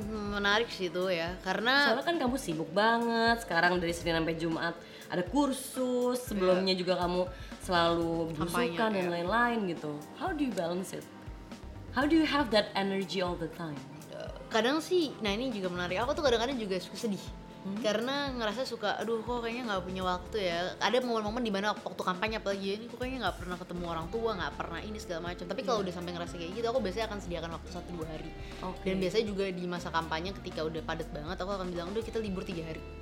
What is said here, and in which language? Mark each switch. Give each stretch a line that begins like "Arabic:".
Indonesian: Menarik sih itu ya, karena soalnya kan kamu sibuk banget sekarang, dari Senin sampai Jumat ada kursus, sebelumnya juga kamu selalu busukan dan lain-lain gitu.
English: How do you balance it? How do you have that energy all the time?
Indonesian: Kadang sih, nah ini juga menarik, aku tuh kadang-kadang juga suka sedih karena ngerasa suka, aduh kok kayaknya gak punya waktu ya. Ada momen-momen dimana waktu kampanye apalagi ini, kok kayaknya gak pernah ketemu orang tua, gak pernah ini segala macam. Tapi kalau udah sampai ngerasa kayak gitu, aku biasanya akan sediakan waktu 1-2 hari. Dan biasanya juga di masa kampanye ketika udah padat banget, aku akan bilang, udah kita libur 3 hari.